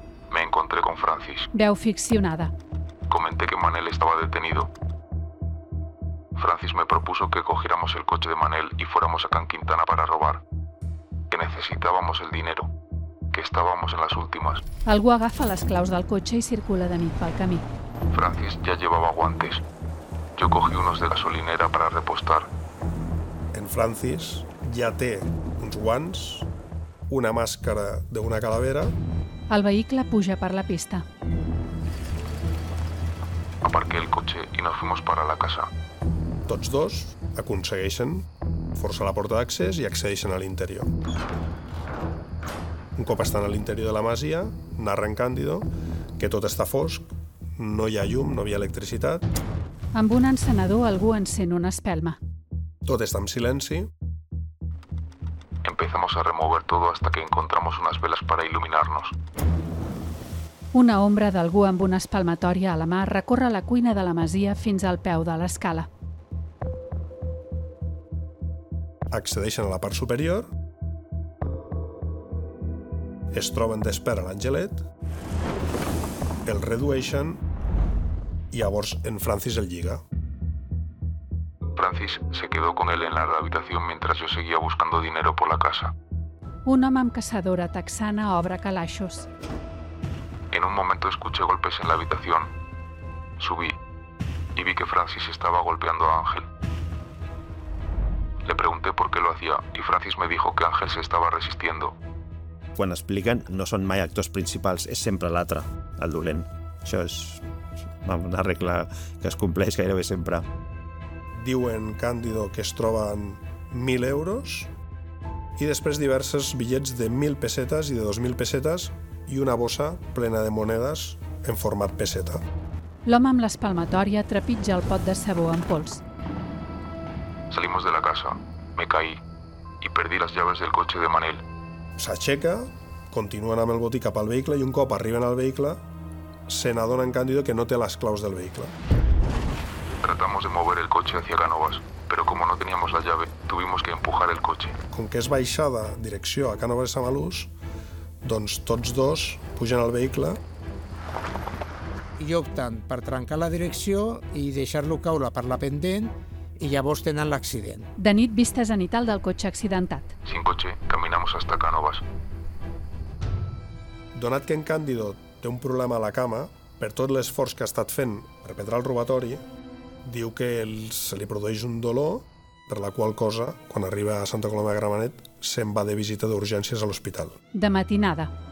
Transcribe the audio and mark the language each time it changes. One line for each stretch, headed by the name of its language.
Spanish: Me encontré con Francis.
Catalan: Veu ficcionada.
Spanish: Comenté que Manel estaba detenido. Francis me propuso que cogiéramos el coche de Manel y fuéramos a Can Quintana para robar. Que necesitábamos el dinero. Que estábamos en las últimas.
Catalan: Algú agafa les claus del cotxe i circula de nit pel camí.
Spanish: Francis ya llevaba guantes. Yo cogí unos de gasolinera para repostar.
Catalan: En Francis ja té uns guants, una màscara d'una calavera. El vehicle puja per la pista.
Spanish: Aparqué el coche y nos fuimos para la casa.
Catalan: Tots dos aconsegueixen forçar la porta d'accés i accedeixen a l'interior. Un cop estan a l'interior de la masia, narra en Càndido que tot està fosc, no hi ha llum, no hi ha electricitat. Amb un encenedor, algú encén una espelma. Tot està en silenci.
Spanish: Empezamos a remover todo hasta que encontramos unas velas para iluminarnos.
Catalan: Una ombra d'algú amb una espalmatòria a la mà recorre la cuina de la masia fins al peu de l'escala. Accedeixen a la part superior. Es troben d'espera l'Angelet. El redueixen.
Spanish: Y ahora en Francis el llega. Francis se quedó con él en la habitación mientras yo seguía buscando dinero por la casa.
Catalan: Un home amb caçadora texana obre calaixos.
Spanish: En un momento escuché golpes en la habitación. Subí y vi que Francis estaba golpeando a Ángel. Le pregunté por qué lo hacía y Francis me dijo que Ángel se estaba resistiendo.
Catalan: Quan expliquen, no són mai actors principals, és sempre l'altre, el dolent. Això és una regla que es compleix gairebé sempre. Diuen Càndido que es troben 1.000 euros i després diversos bitllets de 1.000 pessetes i de 2.000 pessetes i una bossa plena de monedes en format pesseta. L'home amb l'espalmatòria trepitja el pot de sabó en pols.
Spanish: Salimos de la casa, me caí
Catalan: i perdi les llaves del cotxe de Manel. S'aixeca, continuen amb el botí cap al vehicle i un cop arriben al vehicle se n'adona en Càndido que no té les claus del vehicle. Tratamos de mover el cotxe hacia Cánovas, pero como no teníamos la llave, tuvimos que empujar el cotxe. Com que és baixada direcció a Cánovas de Samalús, doncs tots dos pugen al vehicle. I opten per trencar la direcció i deixar-lo caure per la pendent i llavors tenen l'accident. De nit, vista zenital del cotxe accidentat.
Spanish: Sin cotxe, caminamos hasta Cánovas.
Catalan: Donat que en Càndido té un problema a la cama, per tot l'esforç que ha estat fent per perpetre el robatori, diu que se li produeix un dolor, per la qual cosa, quan arriba a Santa Coloma de Gramenet, se'n va de visita d'urgències a l'hospital. De matinada.